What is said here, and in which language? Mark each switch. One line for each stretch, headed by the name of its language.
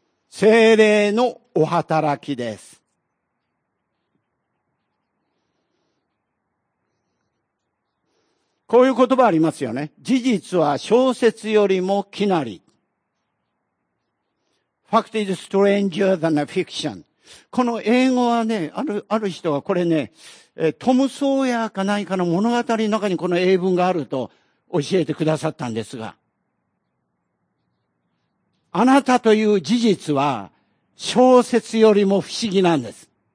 Japanese: 聖霊のお働きです。こういう言葉ありますよね。事実は小説よりもきなり。
English: Fact is stranger than a fiction.
Japanese: この英語はね、ある人はこれね、トム・ソーヤーか何かの物語の中にこの英文があると教えてくださったんですが。あなたという事実は小説よりも不思議なんです。